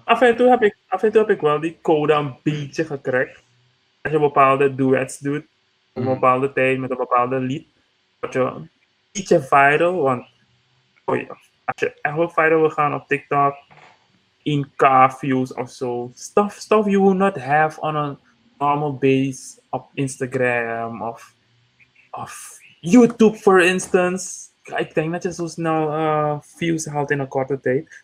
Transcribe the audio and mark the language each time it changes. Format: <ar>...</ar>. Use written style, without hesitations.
<nl>Af en toe heb ik wel die code een beetje gekregen. Als je bepaalde duets doet, op een bepaalde tijd, met een bepaalde lied, word je een beetje viral. Want oh ja, als je echt wel viral wil gaan op TikTok, in car views of zo.</nl> <en>Stuff you will not have on a normal base</en> <nl>op Instagram of YouTube,</nl> <en>for instance.</en> <nl>Ik denk dat je zo snel views haalt in een korte tijd.</nl>